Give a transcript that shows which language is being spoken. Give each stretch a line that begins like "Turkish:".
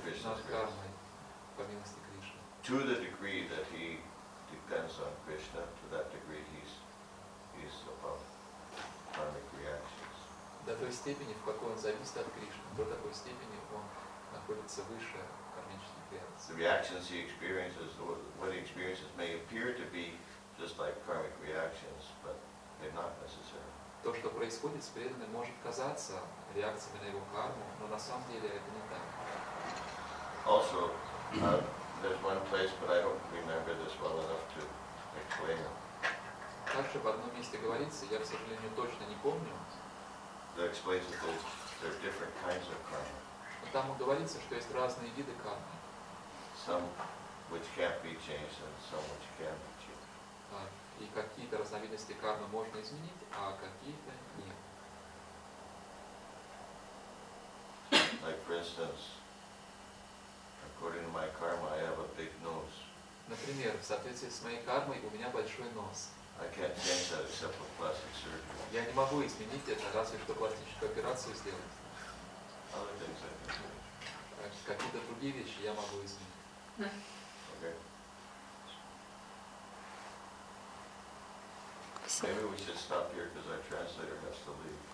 English: To the degree that he depends on Krishna, to that degree he's above karmic reactions.
Russian: До той степени, в какой он зависит от Кришны, до такой степени он находится выше кармических реакций.
English: The reactions he experiences, what he experiences, may appear to be just like karmic reactions, but they're not necessary.
Russian: То, что происходит с преданным, может казаться реакциями на его карму, но на самом деле это не так.
English: Also, there's one place, but I don't remember this well enough to explain it.
Russian: Также в одном месте говорится, я, к сожалению, точно не помню.
English: That explains that there are different kinds of karma.
Russian: Там говорится, что есть разные виды кармы.
English: Some which can't be changed, and some which can be changed.
Russian: И какие-то разновидности кармы можно изменить, а какие-то нет.
English: Like, for instance, according to my karma, I have a big nose.
Russian: Например, в соответствии с моей кармой у меня большой нос.
English: I can't change that except for plastic surgery.
Russian: Я не могу изменить это, разве что пластическую операцию сделать.
English: Other things I can change.
Russian: Какие-то другие вещи я могу изменить.
English: Maybe we should stop here because our translator has to leave.